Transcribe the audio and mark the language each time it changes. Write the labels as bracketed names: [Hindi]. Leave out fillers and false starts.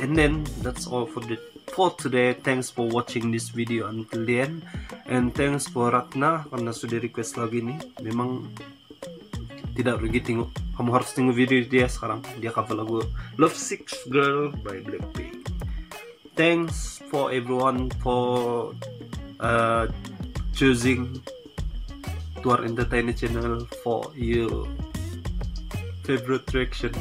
[English] And then that's all for the for today. Thanks for watching this video until the end. And thanks for [Indonesian] Ratna karena sudah request lagi ini. Memang tidak rugi tengok, kamu harus tengok video dia sekarang. Dia cover lagu Love Sick Girl by Blackpink. [English] Thanks for everyone for choosing Tuar Entertainment Channel for your favorite reaction.